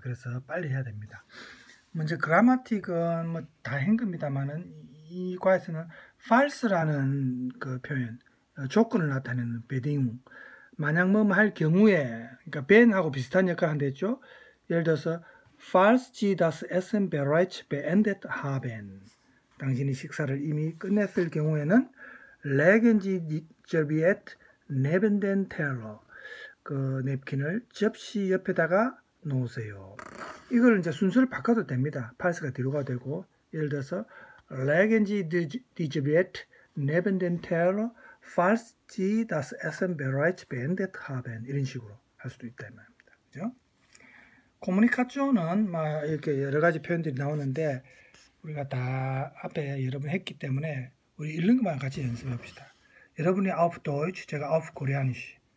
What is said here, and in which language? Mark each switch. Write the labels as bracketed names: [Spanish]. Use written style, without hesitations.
[Korean] 그래서 빨리 해야 됩니다. 먼저 그라마틱은 뭐 다행 겁니다만은 이 과에서는 false라는 그 표현 조건을 나타내는 bedingung 만약 뭐할 경우에, 그러니까 been하고 비슷한 역할을 한댔죠. 예를 들어서, [German] falls sie das Essen bereits beendet haben, [Korean] 당신이 식사를 이미 끝냈을 경우에는 [German] legen sie die Serviette neben den Teller, [Korean] 그 냅킨을 접시 옆에다가 놓으세요. 이걸 이제 순서를 바꿔도 됩니다. [German] falls가 [Korean] 뒤로 가도 되고, 예를 들어서 [German] legen sie die Serviette neben den Teller. Falls sie das Essen bereits beendet haben [Korean] 이런 식으로 할 수도 있다 이 말입니다. 그죠? 커뮤니카쇼는 막 이렇게 여러 가지 표현들이 나오는데 우리가 다 앞에 여러분 했기 때문에 우리 읽는 것만 같이 연습합시다. 여러분이 [German] auf Deutsch, [Korean] 제가 [German] auf Koreanisch.